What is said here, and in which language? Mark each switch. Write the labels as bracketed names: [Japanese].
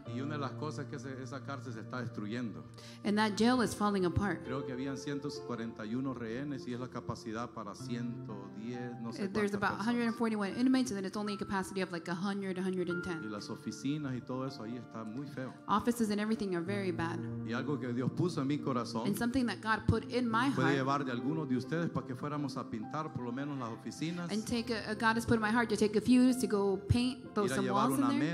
[Spanish] Y una de las cosas que esa cárcel se está destruyendo. [English] And that jail is falling apart. [Spanish] Creo que habían 141 rehenes y es la capacidad para 110, no sé cuántas. [English] There's about 141 inmates and then it's only a capacity of like 100-110. [Spanish] Y las oficinas y todo eso ahí está muy feo. [English] Offices and everything are very bad. [Spanish] Y algo que Dios puso en mi corazón. [English] And something that God put in my heart. [Spanish] Puede llevar de algunos de ustedes para que fuéramos a pintar por lo menos las oficinas. [English] And God has put in my heart to take a few to go paint, throw some walls in there.